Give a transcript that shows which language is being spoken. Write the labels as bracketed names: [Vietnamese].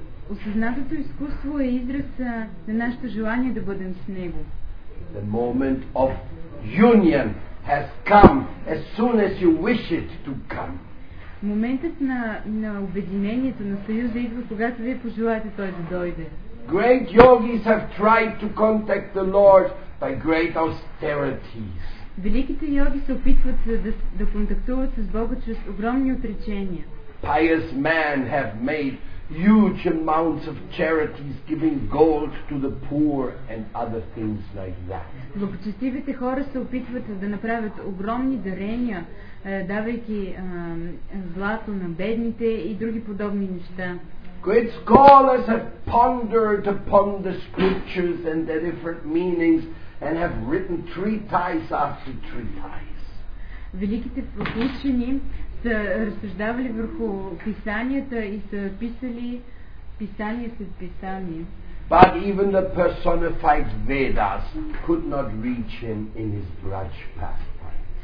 [Bulgarian] Осъзнатото изкуство е израз на нашето желание да бъдем с Него. [English] The moment of union has come as soon as you wish it to come. [Bulgarian] Моментът на обединението, на съюза идва, когато вие пожелаете той да дойде. [English] Great yogis have tried to contact the Lord by great austerities. [Bulgarian] Великите йоги се опитват да контактуват с Бога чрез огромни отречения. [English] Pious men have made huge amounts of charities, giving gold to the poor and other things like that. [Bulgarian] Благочестивите хора се опитват да направят огромни дарения, давайки злато на бедните и други подобни неща. [English] Great scholars have pondered upon the scriptures and their different meanings and have written treatises after treatises. [Bulgarian] Великите учени са разсъждавали върху писанията и са писали писания след писания. [English] But even the personified Vedas could not reach him in his Braj pastime.